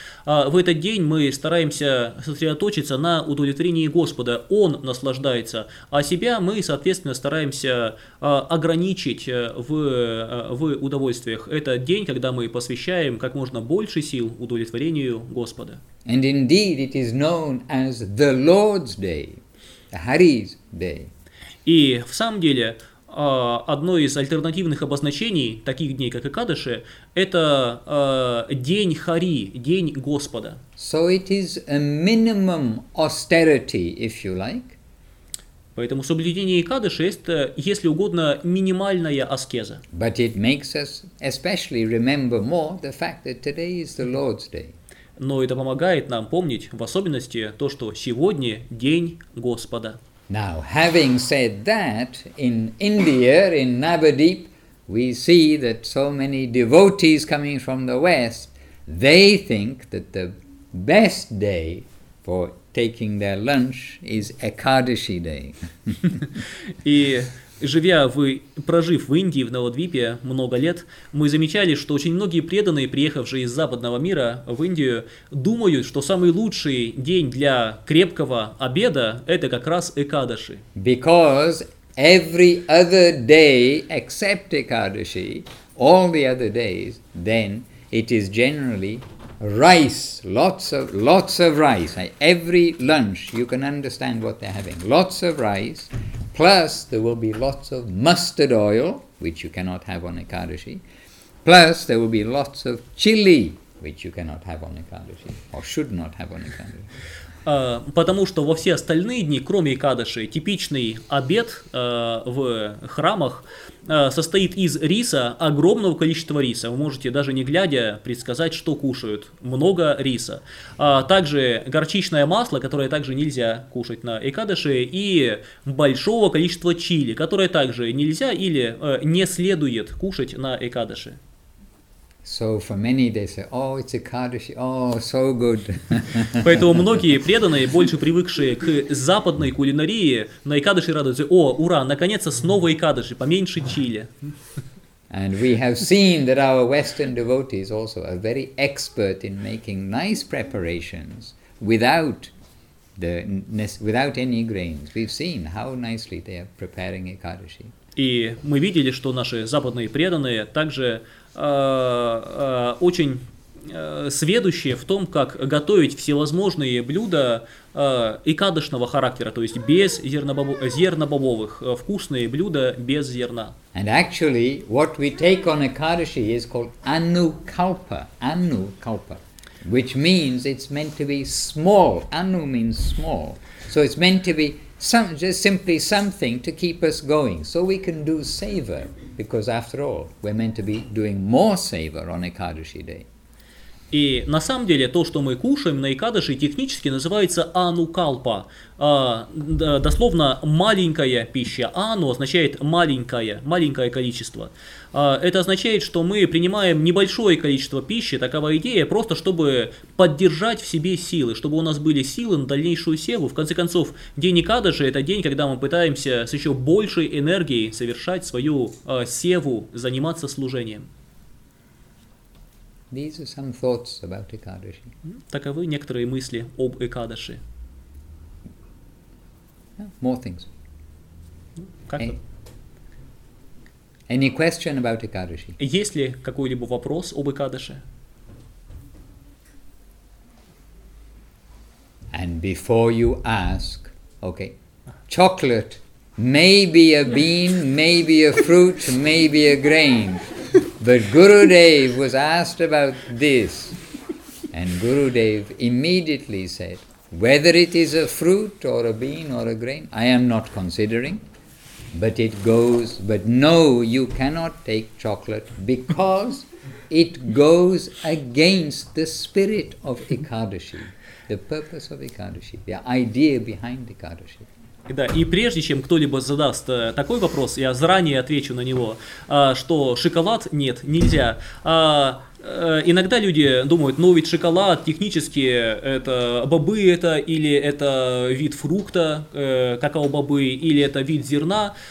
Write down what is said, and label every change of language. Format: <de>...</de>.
<ru>В этот день мы стараемся сосредоточиться на удовлетворении Господа. Он наслаждается, а себя мы, соответственно, стараемся ограничить в удовольствиях. Это день, когда мы посвящаем как можно больше сил удовлетворению Господа.</ru> <en>And indeed it is known as the Lord's Day, the Hari's Day.</en> <ru>И в самом деле, одно из альтернативных обозначений таких дней, как Экадаши, это день Хари, день Господа.</ru> <en>So it is a minimum austerity, if you like.</en> <ru>Поэтому соблюдение Экадаши – это, если угодно, минимальная аскеза.</ru> <en>But it makes us especially remember more the fact that today is the Lord's Day.</en> <ru>Но это помогает нам помнить, в особенности, то, что сегодня день Господа.</ru> <en>Now, having said that, in India, in Navadvip, we see that so many devotees coming from the West, they think that the best day for taking their lunch is Ekadashi day.</en> <ru>И прожив в Индии, в Навадвипе много лет, мы замечали, что очень многие преданные, приехавшие из западного мира в Индию, думают, что самый лучший день для крепкого обеда – это как раз Экадаши.</ru> <en>Because every other day except Ekadashi, all the other days, then it is generally rice, lots of rice. Every lunch, you can understand what they're having, lots of rice. Plus, there will be lots of mustard oil, which you cannot have on Ekadashi. Plus, there will be lots of chili, which you cannot have on Ekadashi, or should not have on Ekadashi.</en> <ru>Потому что во все остальные дни, кроме Экадаши, типичный обед в храмах состоит из риса, огромного количества риса. Вы можете даже не глядя предсказать, что кушают. Много риса. Также горчичное масло, которое также нельзя кушать на Экадаши, и большого количества чили, которое также нельзя или не следует кушать на Экадаши.</ru> <en>So for many they say, oh, it's Ekadashi, oh, so good.</en> <ru>Поэтому многие преданные, больше привыкшие к западной кулинарии, на Экадаши радуются, о, ура, наконец-то снова Экадаши, поменьше чили.</ru> <en>And we have seen that our Western devotees also are very expert in making nice preparations without without any grains. We've seen how nicely they are preparing Ekadashi.</en> <ru>И мы видели, что наши западные преданные также очень сведущие в том, как готовить всевозможные блюда икадошного характера, то есть без зернобобовых, вкусные блюда без зерна.</ru> <en>And actually, what we take on Ekadashi is called anukalpa, which means it's meant to be small. Anu means small. So it's meant to be just simply something to keep us going, so we can do seva, because after all, we're meant to be doing more seva on Ekadashi day.</en> <ru>И на самом деле то, что мы кушаем на Экадаши, технически называется анукалпа. Дословно маленькая пища. Ану означает маленькое, маленькое количество. Это означает, что мы принимаем небольшое количество пищи, такова идея, просто чтобы поддержать в себе силы, чтобы у нас были силы на дальнейшую севу. В конце концов, день Экадаши – это день, когда мы пытаемся с еще большей энергией совершать свою севу, заниматься служением.</ru> <en>These are some thoughts about Ekadashi.</en> <ru>Таковы некоторые мысли об Экадаши.</ru> <en>More things.</en> <ru>Как-то.</ru> <en>Any question about Ekadashi?</en> <ru>Есть ли какой-либо вопрос об Экадаши?</ru> <en>And before you ask, okay, chocolate, maybe a bean, maybe a fruit, maybe a grain. But Gurudev was asked about this, and Gurudev immediately said, whether it is a fruit or a bean or a grain, I am not considering, but it goes, but no, you cannot take chocolate because it goes against the spirit of Ekadashi, the purpose of Ekadashi, the idea behind Ekadashi.</en> <ru>Да, и прежде чем кто-либо задаст такой вопрос, я заранее отвечу на него, что шоколад нет, нельзя. Иногда люди думают, ну ведь шоколад технически это бобы это, или это вид фрукта, какао-бобы, или это вид зерна.</ru>